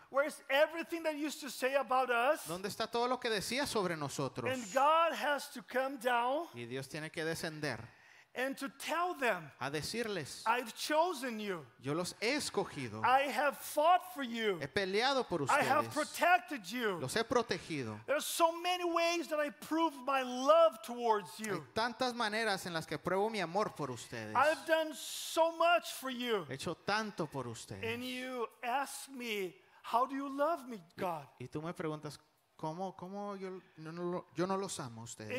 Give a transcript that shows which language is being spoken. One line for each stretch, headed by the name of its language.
English: Where is everything that used to say about us?
Spanish: ¿Dónde está todo lo que decía sobre nosotros?
English: And God has to come down.
Spanish: Y Dios tiene que descender.
English: And to tell them,
Spanish: a decirles,
English: I've chosen you.
Spanish: Yo los he escogido.
English: I have fought for you.
Spanish: He peleado por ustedes.
English: I have protected you.
Spanish: Los he protegido.
English: There are so many ways that I prove my love towards you.
Spanish: Hay tantas maneras en las que pruebo mi amor por ustedes.
English: I've done so much for you.
Spanish: He hecho tanto por ustedes.
English: And you ask me, how do you love me, God?
Spanish: Y tú me preguntas cómo yo no los amo a ustedes.